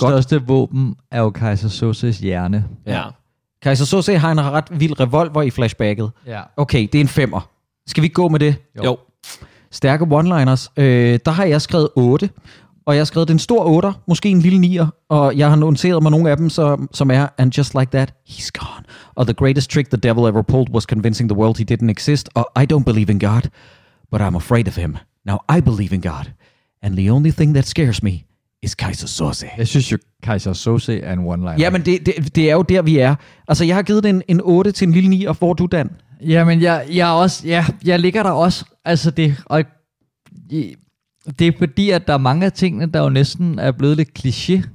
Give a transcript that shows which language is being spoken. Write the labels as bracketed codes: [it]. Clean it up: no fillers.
[da] Fordi det største våben er jo Kaiser Soses hjerne. Ja. Kaiser Soze har en ret vild revolver i flashbacket. Ja. Okay, det er en femmer. Skal vi gå med det? Jo. Stærke one-liners. Der har jeg skrevet 8. Og jeg har skrevet en stor 8'er, måske en lille 9'er. Og jeg har noteret mig nogle af dem, som er [en] "And just like that, he's gone." [da] Og [en] "The greatest trick the devil ever pulled was convincing the world he didn't exist." [da] Og [en] "I don't believe in God, but I'm afraid of him. Now I believe in God. And the only thing that scares me is Kaiser Soze." [da] Jeg synes jo, Kaiser Soze er en one-liner. Jamen, det er jo der, vi er. Altså, jeg har givet den en 8 til en lille 9, og hvor du, Dan? Jamen, jeg ligger der også. Altså, det er fordi, at der er mange af tingene, der jo næsten er blevet lidt kliché.